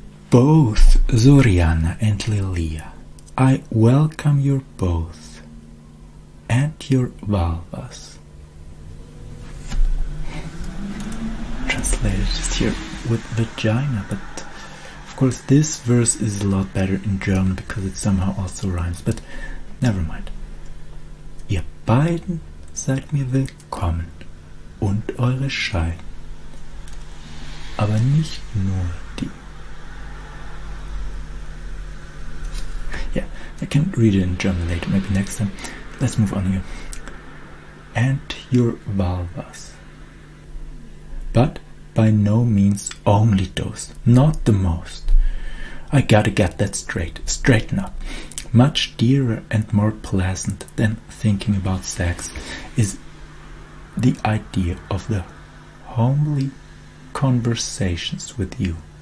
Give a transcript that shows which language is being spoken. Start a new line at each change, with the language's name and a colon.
English: Both Zoriana and Lilia, I welcome your both and your vulvas. Translated just here with vagina, but of course this verse is a lot better in German because it somehow also rhymes, but never mind.
German: Ihr beiden seid mir willkommen und eure Scheiden, aber nicht nur die.
English: Yeah, I can read it in German later, maybe next time. Let's move on here. And your vulvas. But by no means only those, not the most. I gotta get that straight, straighten up. Much dearer and more pleasant than thinking about sex is the idea of the homely conversations with you.